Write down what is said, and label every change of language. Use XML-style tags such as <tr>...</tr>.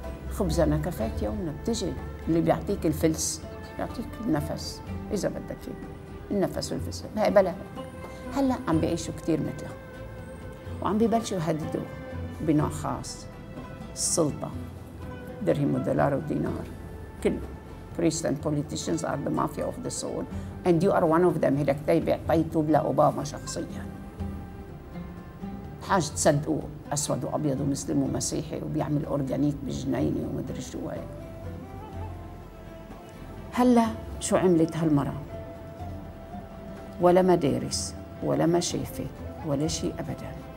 <ar>خبزنا كفايه يومنا بتجي، اللي بيعطيك الفلس بيعطيك النفس اذا بدك فيه. النفس والفلس هي بلا. هلا عم بيعيشوا كثير مثلها. وعم ببلشوا يهددوا بنوع خاص. السلطه. درهم ودولار ودينار. كل</ar> <en>priests and politicians are the mafia of the soul and you are one of them.</en> <ar>هيدا كتاب اعطيته لاوباما شخصيا. حاج تصدقوا اسود وابيض ومسلم ومسيحي وبيعمل اورجانيك بجنينه ومدري شو هي. هلا شو عملت هالمره؟ ولا مدارس ولا مشافي ولا شيء ابدا.</ar>